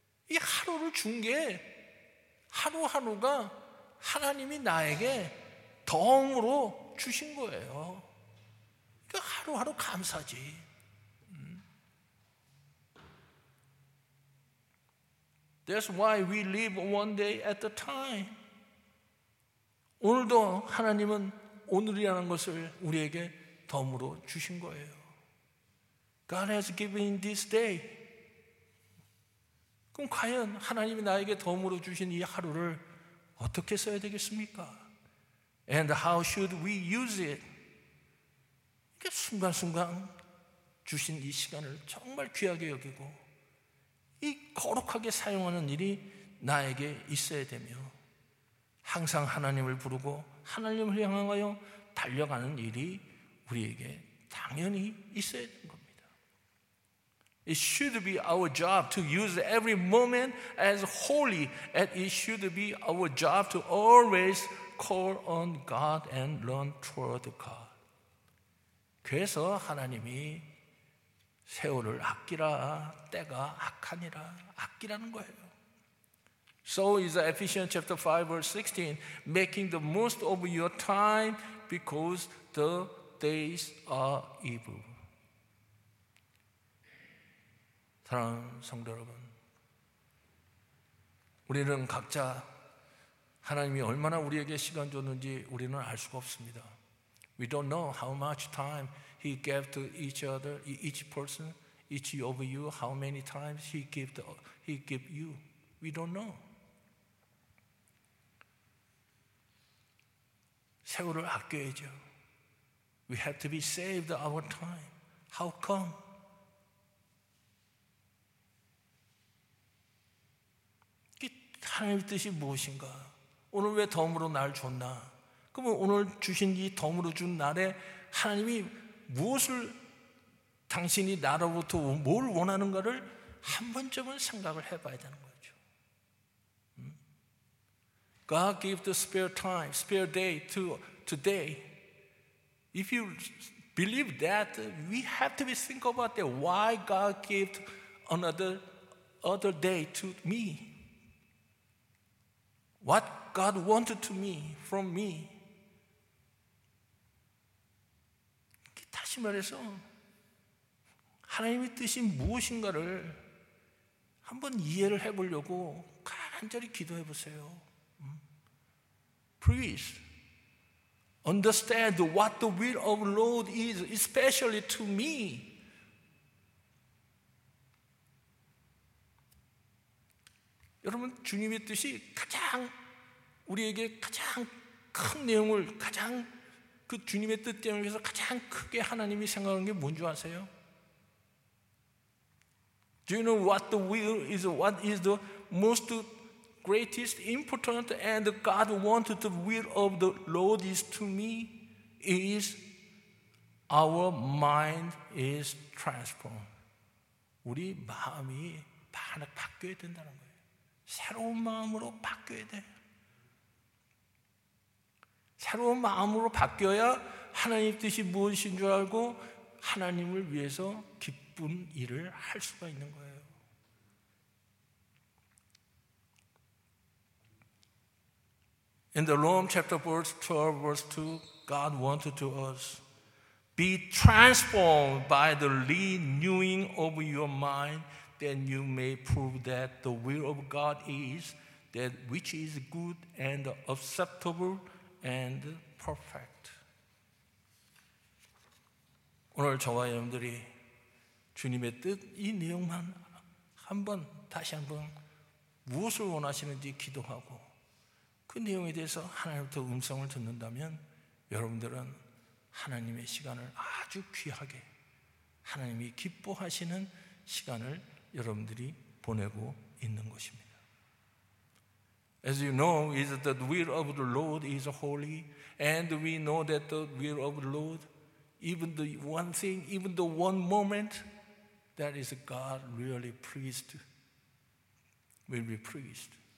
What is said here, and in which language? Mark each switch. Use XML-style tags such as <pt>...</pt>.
<ko>이 하루를 준 게 하루하루가 하나님이 나에게 덤으로 주신 거예요. 그러니까 하루하루 감사지. 음?</ko> <en>That's why we live one day at a time.</en> <ko>오늘도 하나님은 오늘이라는 것을 우리에게 덤으로 주신 거예요.</ko> <en>God has given this day.</en> <ko>그럼 과연 하나님이 나에게 덤으로 주신 이 하루를 어떻게 써야 되겠습니까?</ko> <en>And how should we use it?</en> <ko>이게 순간순간 주신 이 시간을 정말 귀하게 여기고 이 거룩하게 사용하는 일이 나에게 있어야 되며 항상 하나님을 부르고 하나님을 향하여 달려가는 일이 우리에게 당연히 있어야 되는 겁니다.</ko> <en>It should be our job to use every moment as holy, and it should be our job to always call on God and run toward God.</en> <ko>그래서 하나님이 세월을 아끼라, 때가 악하니라, 아끼라는 거예요.</ko> <en>So is Ephesians chapter 5 verse 16, making the most of your time because the days are evil.</en> <ko>사랑하는 성도 여러분, 우리는 각자 하나님이 얼마나 우리에게 시간 줬는지 우리는 알 수가 없습니다.</ko> <en>We don't know how much time he gave to each other, each person, each of you, how many times he gave you. We don't know.</en> <ko>세월을 아껴야죠.</ko> <en>We have to be saved our time. How come?</en> <ko>이게 하나님의 뜻이 무엇인가? 오늘 왜 덤으로 날 줬나? 그러면 오늘 주신 이 덤으로 준 날에 하나님이 무엇을 당신이 나로부터 뭘 원하는가를 한 번쯤은 생각을 해봐야 되는 거죠.</ko> <en>God gave the spare time, spare day to today. If you believe that, we have to think about that. Why God gave another day to me? What God wanted to me, from me?</en> <ko>다시 말해서 하나님의 뜻이 무엇인가를 한번 이해를 해보려고 간절히 기도해 보세요.</ko> <en>Please understand what the will of the Lord is, especially to me.</en> <ko>여러분, 주님의 뜻이 가장 우리에게 가장 큰 내용을 가장 그 주님의 뜻 때문에 해서 가장 크게 하나님이 생각하는 게 뭔지 아세요?</ko> <en>Do you know what the will is? What is the most greatest, important, and God wanted the will of the Lord is to me is our mind is transformed.</en> <ko>우리 마음이 바뀌어야 된다는 거예요. 새로운 마음으로 바뀌어야 돼. 새로운 마음으로 바뀌어야 하나님 뜻이 무엇인 줄 알고 하나님을 위해서 기쁜 일을 할 수가 있는 거예요.</ko> <en>In the Romans chapter 12, verse 2, God wanted to us, be transformed by the renewing of your mind, then you may prove that the will of God is that which is good and acceptable and perfect.</en> <ko>오늘 저와 여러분들이 주님의 뜻 이 내용만 한번 다시 한번 무엇을 원하시는지 기도하고 그 내용에 대해서 하나님부터 음성을 듣는다면 여러분들은 하나님의 시간을 아주 귀하게 하나님이 기뻐하시는 시간을 여러분들이 보내고 있는 것입니다.</ko> <en>As you know, is the will of the Lord is holy, and we know that the will of the Lord, even the one thing, even the one moment, that is God really pleased, will be pleased.</en>